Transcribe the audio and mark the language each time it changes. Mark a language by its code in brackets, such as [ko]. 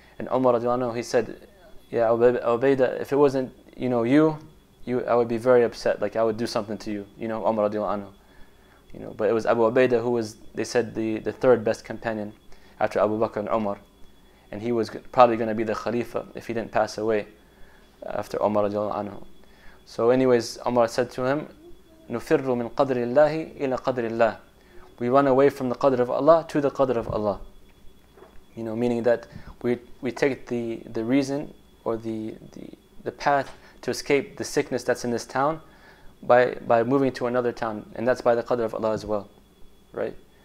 [en] And Umar, radiallahu anhu, he said, yeah, Ubaidah, if it wasn't, you know, you, I would be very upset. Like, I would do something to you, you know, Umar, radiallahu anhu. You know, but it was Abu Ubaidah who was, they said, the third best companion after Abu Bakr and Umar. And he was probably going to be the Khalifa if he didn't pass away after Umar, radiallahu anhu. So anyways, Umar said to him, [ar] نُفِرُّ مِن قَدْرِ اللَّهِ إِلَى قَدْرِ اللَّهِ. [en] We run away from the Qadr of Allah to the Qadr of Allah. You know, meaning that we take the reason or the path to escape the sickness that's in this town by moving to another town, and that's by the Qadr of Allah as well. Right?